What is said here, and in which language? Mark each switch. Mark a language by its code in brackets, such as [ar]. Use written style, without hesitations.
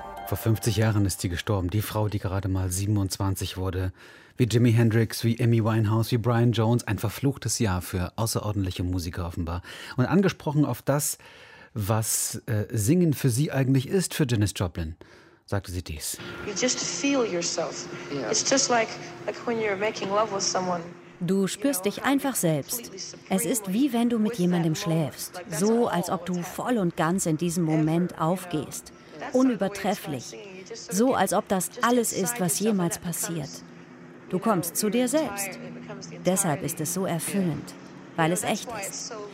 [de] Vor 50 Jahren ist sie gestorben, die Frau, die gerade mal 27 wurde. Wie Jimi Hendrix, wie Amy Winehouse, wie Brian Jones. Ein verfluchtes Jahr für außerordentliche Musiker offenbar. Und angesprochen auf das, was Singen für sie eigentlich ist, für Janis Joplin, sagte sie dies. [en] You just feel yourself. Yeah. It's just like when you're making love with someone. [de] Du spürst dich einfach selbst. Es ist wie wenn du mit jemandem schläfst. So, als ob du voll und ganz in diesem Moment aufgehst. Unübertrefflich. So, als ob das alles ist, was jemals passiert. Du kommst zu dir selbst. Deshalb ist es so erfüllend, weil es echt ist.